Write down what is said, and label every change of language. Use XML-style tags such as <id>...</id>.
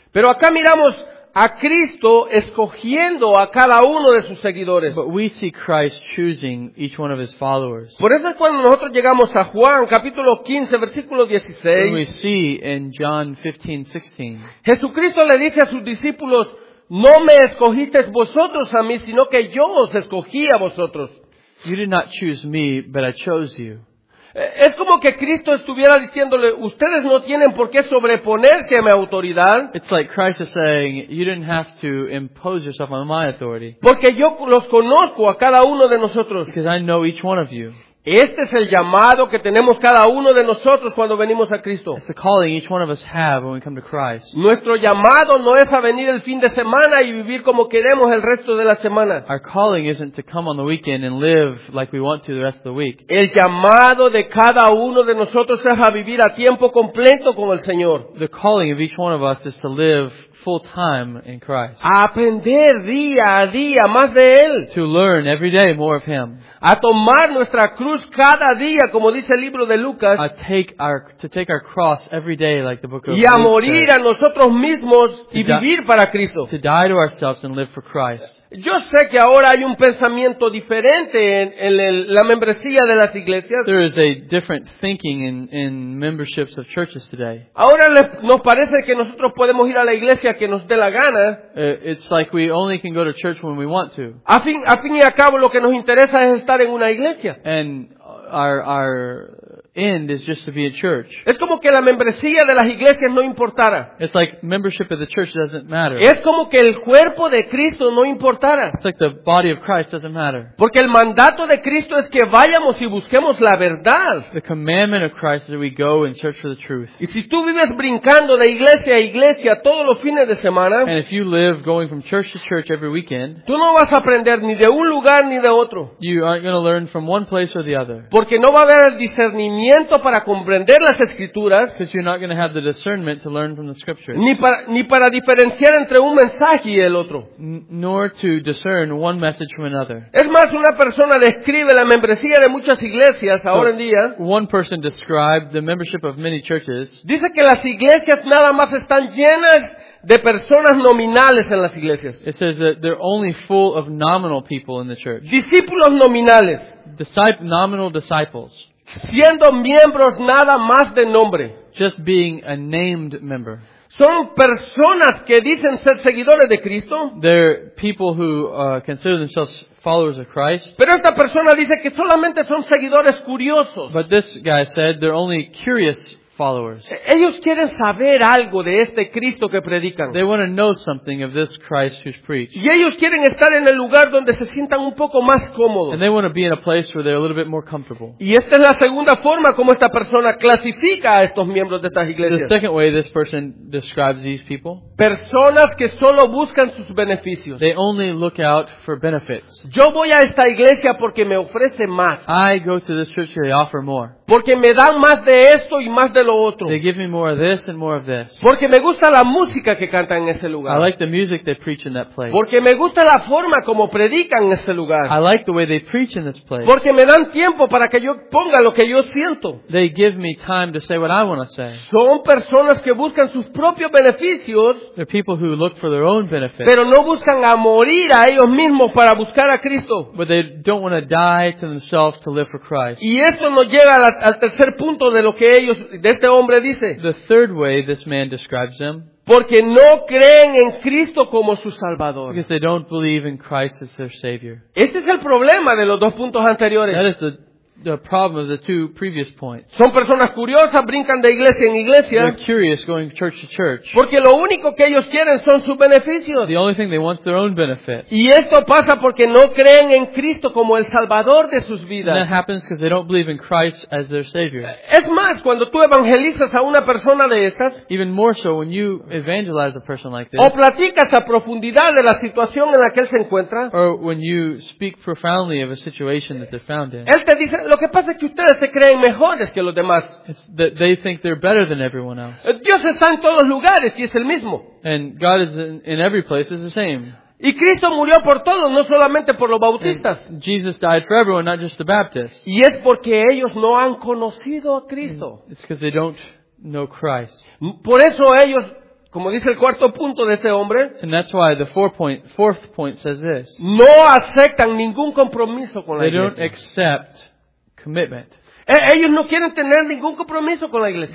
<es>Pero acá miramos a Cristo escogiendo a cada uno de sus seguidores.</es> <en>But we see Christ choosing each one of his followers.</en> <es>Por eso es cuando nosotros llegamos a Juan, capítulo 15, versículo 16.</es> <en>When we see in John 15, 16.</en> <es>Jesucristo le dice a sus discípulos, no me escogisteis vosotros a mí, sino que yo os escogí a vosotros.</es> <en>You did not choose me, but I chose you.</en> <es>Es como que Cristo estuviera diciéndole, ustedes no tienen por qué sobreponerse a mi autoridad.</es> <en>It's like Christ is saying, you didn't have to impose yourself on my authority.</en> <es>Porque yo los conozco a cada uno de nosotros.</es> <en>Because I know each one of you.</en> <es>Este es el llamado que tenemos cada uno de nosotros cuando venimos a Cristo.</es> <en>It's the calling each one of us have when we come to Christ.</en> <es>Nuestro llamado no es a venir el fin de semana y vivir como queremos el resto de la semana.</es> <en>Our calling isn't to come on the weekend and live like we want to the rest of the week.</en> <es>El llamado de cada uno de nosotros es a vivir a tiempo completo con el Señor.</es> <en>The calling of each one of us is to live full time in Christ.</en> <es>A aprender día a día más de Él.</es> <en>To learn every day more of Him.</en> <es>A tomar nuestra cruz cada día, como dice el libro de Lucas.</es> <en>To take our cross every day, like the book of Luke.</en> <es>Y a morir a nosotros mismos y vivir para Cristo.</es> <en>To die to ourselves and live for Christ.</en> <es>Yo sé que ahora hay un pensamiento diferente en la membresía de las iglesias.</es> <en>There is a different thinking in memberships of churches today.</en> <es>Ahora nos parece que nosotros podemos ir a la iglesia que nos dé la gana.</es> <en>It's like we only can go to church when we want to.</en> <es>A fin y a cabo, lo que nos interesa es estar en una iglesia.</es> <en>And our end is just to be a church.</en> <es>Es como que la membresía de las iglesias no importara.</es> <en>It's like membership of the church doesn't matter.</en> <es>Es como que el cuerpo de Cristo no importara.</es> <en>It's like the body of Christ doesn't matter.</en> <es>Porque el mandato de Cristo es que vayamos y busquemos la verdad.</es> <en>The commandment of Christ is that we go and search for the truth.</en> <es>Y si tú vives brincando de iglesia a iglesia todos los fines de semana,</es> <en>and if you live going from church to church every weekend,</en> <es>tú no vas a aprender ni de un lugar ni de otro.</es> <en>You aren't going to learn from one place or the other.</en> <es>Porque no va a haber el discernimiento para comprender las escrituras,</es> <en>since you're not going to have the discernment to learn from the scriptures,</en> <es>ni para diferenciar entre un mensaje y el otro,</es> <en>nor to discern one message from another.</en> <es>Es más, una persona describe la membresía de muchas iglesias ahora en día.</es> <en>One person described the membership of many churches.</en> <es>Dice que las iglesias nada más están llenas de personas nominales en las iglesias.</es> <en>It says that they're only full of nominal people in the church.</en> <es>Discípulos nominales.</es> <en>Nominal disciples.</en> <es>Siendo miembros nada más de nombre.</es> <en>Just being a named member.</en> <es>Son personas que dicen ser seguidores de Cristo.</es> <en>They're people who consider themselves followers of Christ.</en> <es>Pero esta persona dice que solamente son seguidores curiosos.</es> <en>But this guy said they're only curious followers.</en> <es>Ellos quieren saber algo de este Cristo que predican.</es> <en>They want to know something of this Christ who's preached.</en> <es>Y ellos quieren estar en el lugar donde se sientan un poco más cómodos.</es> <en>And they want to be in a place where they're a little bit more comfortable.</en> <es>Y esta es la segunda forma como esta persona clasifica a estos miembros de estas iglesias.</es> <en>The second way this person describes these people.</en> <es>Personas que solo buscan sus beneficios.</es> <en>They only look out for benefits.</en> <es>Yo voy a esta iglesia porque me ofrece más.</es> <en>I go to this church because they offer more.</en> <es>Porque me dan más de esto y más de lo otro.</es> <en>They give me more of this and more of this.</en> <es>Porque me gusta la música que cantan en ese lugar.</es> <en>I like the music they preach in that place.</en> <es>Porque me gusta la forma como predican en ese lugar.</es> <en>I like the way they preach in this place.</en> <es>Porque me dan tiempo para que yo ponga lo que yo siento.</es> <en>They give me time to say what I want to say.</en> <es>Son personas que buscan sus propios beneficios.</es> <en>They're people who look for their own benefits.</en> <es>Pero no buscan a morir a ellos mismos para buscar a Cristo.</es> <en>But they don't want to die to themselves to live for Christ.</en> <es>Y esto nos lleva al tercer punto de lo que ellos, de este hombre dice.</es> <en>The third way this man describes them.</en> <es>Porque no creen en Cristo como su Salvador.</es> <en>Because they don't believe in Christ as their Savior.</en> <es>Este es el problema de los dos puntos anteriores.</es> <en>That is the the problem of the two previous points.</en> <es>Son personas curiosas, brincan de iglesia en iglesia.</es> <en>They're curious, going church to church.</en> <es>Porque lo único que ellos quieren son sus beneficios.</es> <en>The only thing they want is their own benefit.</en> <es>Y esto pasa porque no creen en Cristo como el Salvador de sus vidas.</es> <en>And that happens because they don't believe in Christ as their Savior.</en> <es>Es más, cuando tú evangelizas a una persona de estas,</es> <en>even more so when you evangelize a person like this,</en> <es>o platicas a profundidad de la situación en la que él se encuentra,</es> <en>or when you speak profoundly of a situation that they're found in,</en> <es>él te dice, lo que pasa es que ustedes se creen mejores que los demás.</es> <en>They think they're better than everyone else.</en> <es>Dios está en todos lugares y es el mismo.</es> <en>And God is in every place, is the same.</en> <es>Y Cristo murió por todos, no solamente por los bautistas.</es> <en>And Jesus died for everyone, not just the Baptists.</en> <es>Y es porque ellos no han conocido a Cristo.</es> <en>And it's because they don't know Christ.</en> <es>Por eso ellos, como dice el cuarto punto de ese hombre,</es> <en>and that's why the fourth point says this.</en> <es>No aceptan ningún compromiso con la iglesia.</es> <en>They don't accept commitment.</en> <es>Ellos no quieren tener ningún compromiso con la iglesia.</es>